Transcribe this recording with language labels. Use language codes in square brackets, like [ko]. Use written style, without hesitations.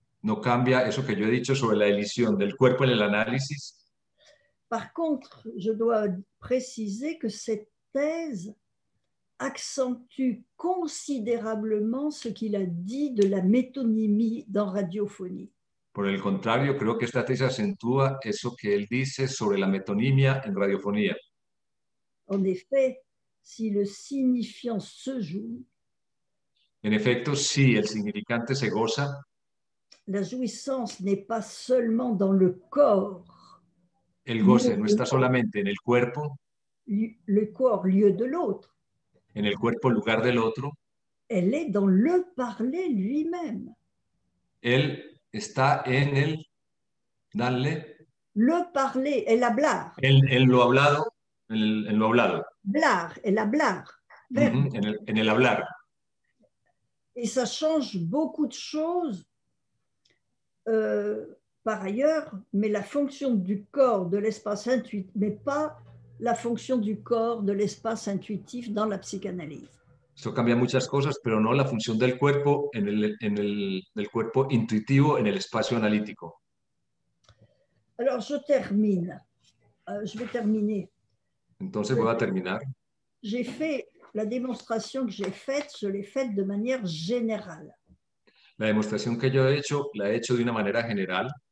[es] No cambia eso que yo he dicho sobre la elisión del cuerpo en el análisis. [fr] Par contre, je dois préciser que cette thèse accentue considérablement ce qu'il a dit de la métonymie dans radiophonie. [es] Por el contrario, creo que esta tesis acentúa eso que él dice sobre la metonimia en radiofonía. [fr] En effet, si le signifiant se joue, [es] en efecto, si el significante se goza, [fr] la jouissance n'est pas seulement dans le corps. [es] El goce no está solamente en el cuerpo, [fr] le corps lieu de l'autre, [es] en el cuerpo lugar del otro, [fr] elle est dans le parler lui-même. [es] Él está en el, dale, [fr] le parler, [es] el hablar, en lo hablado, en lo hablado, hablar, el hablar, en el hablar. [fr] Et ça change beaucoup de choses. Par ailleurs, mais la fonction du corps de l'espace intuitif, mais pas la fonction du corps de l'espace intuitif dans la psychanalyse. [es] Eso cambia muchas cosas, pero no la función del cuerpo en el cuerpo intuitivo en el espacio analítico. [fr] Alors, je termine. Je vais terminer. [es] Entonces voy a terminar. [fr] J'ai fait la démonstration que j'ai faite, je l'ai faite de manière générale. [es] La demostración que yo he hecho, la he hecho de una manera general.